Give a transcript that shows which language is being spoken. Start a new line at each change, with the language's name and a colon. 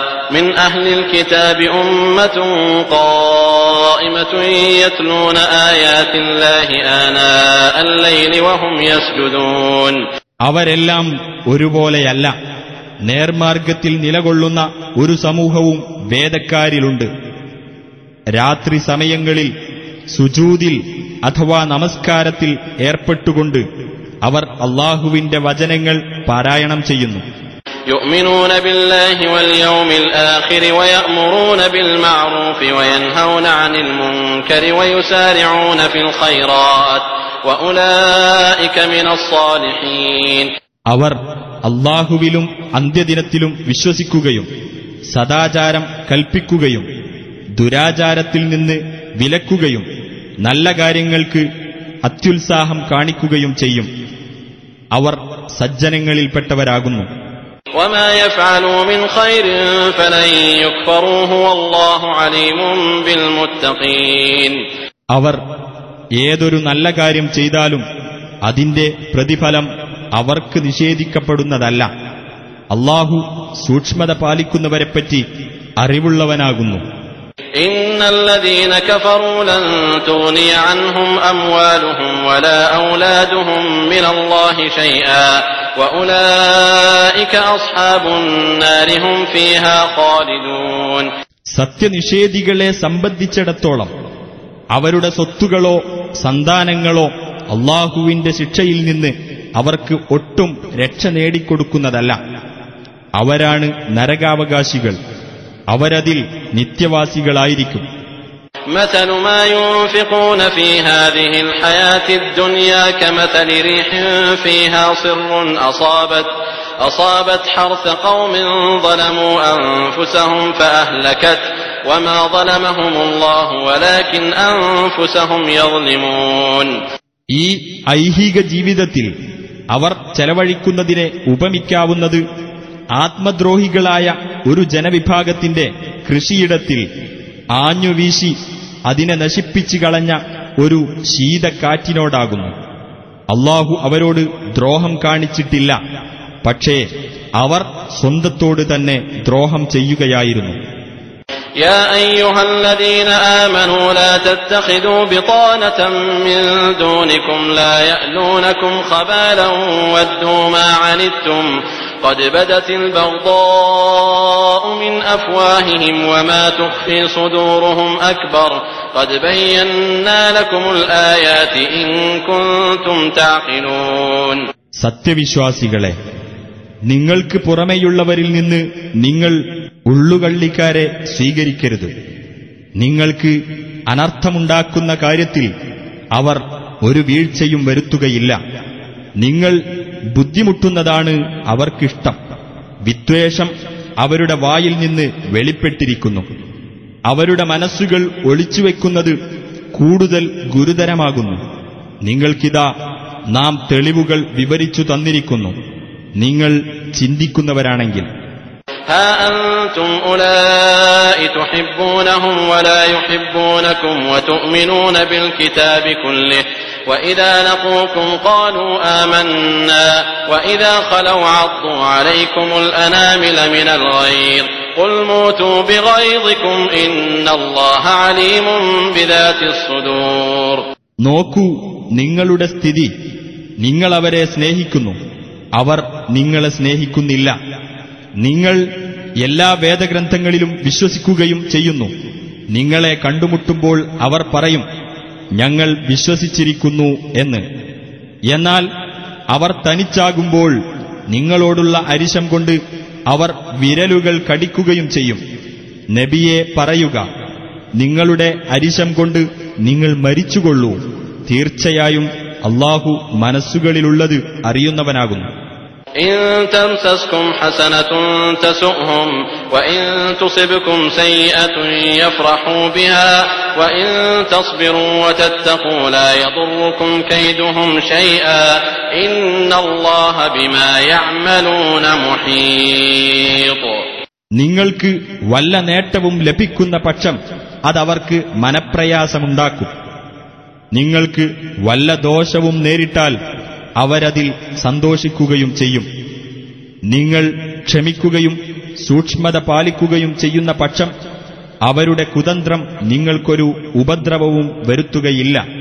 Arabic: من أهل الكتاب أمة قائمة يتلون آيات الله آناء الليل وهم يسجدون
Malayalam: അവരെല്ലാം ഒരുപോലെയല്ല, നേർമാർഗത്തിൽ നിലകൊള്ളുന്ന ഒരു സമൂഹവും വേദക്കാരിലുണ്ട്. രാത്രി സമയങ്ങളിൽ സുജൂദിൽ അഥവാ നമസ്കാരത്തിൽ ഏർപ്പെട്ടുകൊണ്ട് അവർ അള്ളാഹുവിന്റെ വചനങ്ങൾ പാരായണം ചെയ്യുന്നു.
Arabic: يؤمنون بالله واليوم الآخر ويأمرون بالمعروف وينهون عن المنكر ويسارعون في الخيرات وأولئك من الصالحين
Malayalam: അവർ അല്ലാഹുവിലും അന്ത്യദിനത്തിലും വിശ്വസിക്കുകയും സദാചാരം കൽപ്പിക്കുകയും ദുരാചാരത്തിൽ നിന്ന് വിലക്കുകയും നല്ല കാര്യങ്ങൾക്ക് അത്യുത്സാഹം കാണിക്കുകയും ചെയ്യും. അവർ സജ്ജനങ്ങളിൽപ്പെട്ടവരാകുന്നു.
Arabic: وما يفعلوا من خير فلن يكفروه والله عليم بالمتقين
Malayalam: അവർ ഏതൊരു നല്ല കാര്യം ചെയ്താലും അതിന്റെ പ്രതിഫലം അവർക്ക് നിഷേധിക്കപ്പെടുന്നതല്ല. അല്ലാഹു സൂക്ഷ്മത പാലിക്കുന്നവരെ പറ്റി അറിവുള്ളവനാകുന്നു.
Arabic: ان الذين كفروا لن تغني عنهم اموالهم ولا اولادهم من الله شيئا واولئك اصحاب النار هم فيها خالدون
Malayalam: സത്യനിഷേധികളെ സംബന്ധിച്ചിടത്തോളം അവരുടെ സ്വത്തുകളോ സന്താനങ്ങളോ അല്ലാഹുവിന്റെ ശിക്ഷയിൽ നിന്ന് അവർക്ക് ഒട്ടും രക്ഷ നേടിക്കൊടുക്കുന്നതല്ല. അവരാണ് നരകാവകാശികൾ, അവരതിൽ നിത്യവാസികളായിരിക്കും.
Arabic: مثل ما ينفقون في هذه الحياة الدنيا كمثل ريح فيها صر أصابت حرث قوم ظلموا أنفسهم فأهلكت وما ظلمهم الله ولكن أنفسهم يظلمون
Malayalam: ഈ ഐഹിക ജീവിതത്തിൽ അവർ ചെലവഴിക്കുന്നതിനെ ഉപമിക്കാവുന്നത് ആത്മദ്രോഹികളായ ഒരു ജനവിഭാഗത്തിന്റെ കൃഷിയിടത്തിൽ ആഞ്ഞുവീശി അതിനെ നശിപ്പിച്ചു കളഞ്ഞ ഒരു ശീതക്കാറ്റിനോടാകുന്നു. അല്ലാഹു അവരോട് ദ്രോഹം കാണിച്ചിട്ടില്ല, പക്ഷേ അവർ സ്വന്തത്തോട് തന്നെ ദ്രോഹം ചെയ്യുകയായിരുന്നു.
Arabic: يا ايها الذين امنوا لا تتخذوا بطانه من دونكم لا يالونكم خبالا ودوا ما عنتم قد بدت البغضاء من افواههم وما تخفي صدورهم اكبر قد بينا لكم الايات ان كنتم تعقلون
Malayalam: സത്യവിശ്വാസികളെ, നിങ്ങൾക്ക് പുറമേയുള്ളവരിൽ നിന്ന് നിങ്ങൾ ഉള്ളുകള്ളിക്കാരെ സ്വീകരിക്കരുത്. നിങ്ങൾക്ക് അനർത്ഥമുണ്ടാക്കുന്ന കാര്യത്തിൽ അവർ ഒരു വീഴ്ചയും വരുത്തുകയില്ല. നിങ്ങൾ ബുദ്ധിമുട്ടുന്നതാണ് അവർക്കിഷ്ടം. വിദ്വേഷം അവരുടെ വായിൽ നിന്ന് വെളിപ്പെട്ടിരിക്കുന്നു. അവരുടെ മനസ്സുകൾ ഒളിച്ചുവെക്കുന്നത് കൂടുതൽ ഗുരുതരമാകുന്നു. നിങ്ങൾക്കിതാ നാം തെളിവുകൾ വിവരിച്ചു തന്നിരിക്കുന്നു. നിങ്ങൾ ചിന്തിക്കുന്നവരാണെങ്കിൽ
Arabic: ها انتم اولئك تحبونهم ولا يحبونكم وتؤمنون بالكتاب كله واذا لقوكم قالوا آمنا واذا خلوا عضوا عليكم الانامل من الغيظ قل موتوا بغيظكم ان الله عليم بذات الصدور
Malayalam: നോക്കൂ, നിങ്ങളുടെ സ്ഥിതി, നിങ്ങൾ അവരെ സ്നേഹിക്കുന്നു, അവർ നിങ്ങളെ സ്നേഹിക്കുന്നില്ല. നിങ്ങൾ എല്ലാ വേദഗ്രന്ഥങ്ങളിലും വിശ്വസിക്കുകയും ചെയ്യുന്നു. നിങ്ങളെ കണ്ടുമുട്ടുമ്പോൾ അവർ പറയും, ഞങ്ങൾ വിശ്വസിച്ചിരിക്കുന്നു എന്ന്. എന്നാൽ അവർ തനിച്ചാകുമ്പോൾ നിങ്ങളോടുള്ള അരിശം കൊണ്ട് അവർ വിരലുകൾ കടിക്കുകയും ചെയ്യും. നബിയെ പറയുക, നിങ്ങളുടെ അരിശം കൊണ്ട് നിങ്ങൾ മരിച്ചുകൊള്ളൂ. തീർച്ചയായും അല്ലാഹു മനസ്സുകളിലുള്ളത് അറിയുന്നവനാകുന്നു.
Arabic: إن تمسسكم حسنة تسؤهم وإن تصبكم سيئة يفرحوا بها وإن تصبروا وتتقوا لا يضركم كيدهم شيئا إن الله بما يعملون محيط
Malayalam: നിങ്ങൾക്ക് വല്ല നേട്ടവും ലഭിക്കുന്ന പക്ഷം അത് അവർക്ക് മനപ്രയാസമുണ്ടാക്കും. നിങ്ങൾക്ക് വല്ല ദോഷവും നേരിട്ടാൽ അവരതിൽ സന്തോഷിക്കുകയും ചെയ്യും. നിങ്ങൾ ക്ഷമിക്കുകയും സൂക്ഷ്മത പാലിക്കുകയും ചെയ്യുന്ന പക്ഷം അവരുടെ കുതന്ത്രം നിങ്ങൾക്കൊരു ഉപദ്രവവും വരുത്തുകയില്ല.